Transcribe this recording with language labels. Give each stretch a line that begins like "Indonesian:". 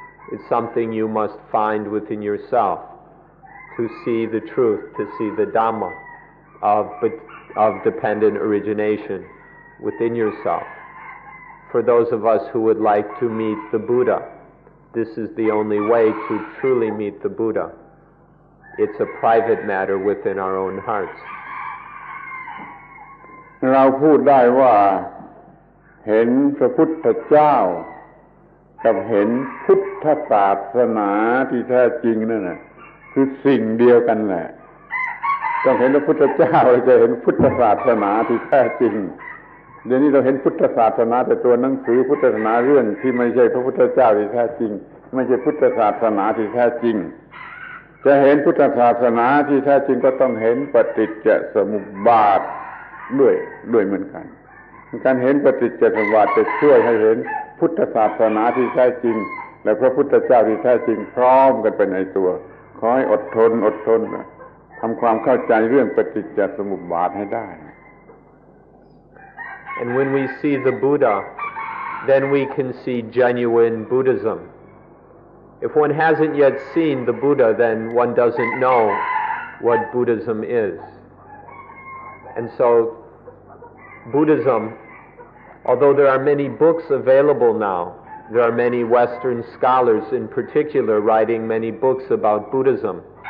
English: It's something you must find within yourself to see the truth, to see the Dhamma of dependent origination within yourself. For those of us who would like to meet the Buddha, this is the only way to truly meet the Buddha. It's a private matter within our own hearts.
Thai: เราพูดได้ว่าเห็นพระพุทธเจ้ากับเห็นพุทธศาสนาที่แท้จริงนั่นน่ะคือสิ่งเดียวกันแหละต้องเห็นพระพุทธเจ้าจะเห็นพุทธศาสนาที่แท้จริงเดี๋ยวนี้เราเห็นพุทธศาสนาแต่ตัวหนังสือพุทธศาสนาเรื่องที่ไม่ใช่พระพุทธเจ้าที่แท้จริงไม่ใช่พุทธศาสนาที่แท้จริง จะเห็นพุทธศาสนาที่แท้จริงก็ต้องเห็นปฏิจจสมุปบาทด้วยเหมือนกันการเห็นปฏิจจสมุปบาทจะช่วยให้เห็นพุทธศาสนาที่แท้จริงและพระพุทธเจ้าที่แท้จริงพร้อมกันไปในตัวขอให้อดทนทำความเข้าใจเรื่องปฏิจจสมุปบาทให้ได้
English: And when we see the Buddha, then we can see genuine Buddhism. If one hasn't yet seen the Buddha, then one doesn't know what Buddhism is. And so Buddhism, although there are many books available now, there are many Western scholars in particular writing many books about Buddhism.